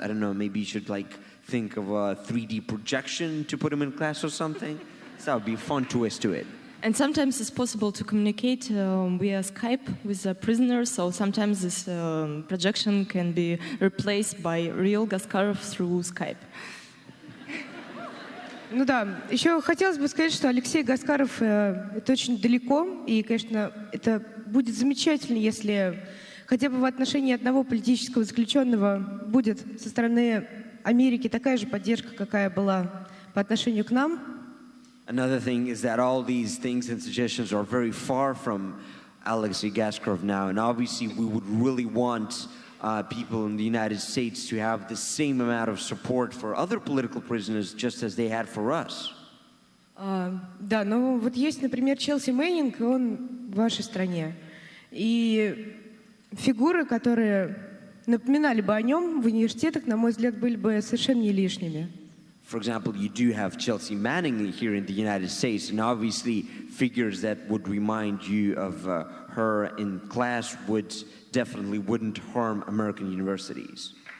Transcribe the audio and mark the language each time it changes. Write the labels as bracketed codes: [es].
[en] I don't know, maybe you should like think of a 3D projection to put him in class or something. So that would be a fun twist to it. And sometimes it's possible to communicate via Skype with a prisoner, so sometimes this projection can be replaced by real Gaskarov through Skype. [ru] Ну да, еще хотелось бы сказать, что Алексей Гаскаров это очень далеко, и, конечно, это будет замечательно, если хотя бы в отношении одного политического заключенного будет со стороны Америки такая же поддержка, какая была по отношению к нам. [en] Another thing is that all these things and suggestions are very far from Alexei Gaskarov now, and obviously we would really want people in the United States to have the same amount of support for other political prisoners just as they had for us. [ru] Да, но вот есть, например, Челси Мэннинг, и он в вашей стране. И фигуры, которые напоминали бы о нем в университетах, на мой взгляд, были бы совершенно не лишними. [en] For example, you do have Chelsea Manning here in the United States, and obviously figures that would remind you of her in class wouldn't harm American universities.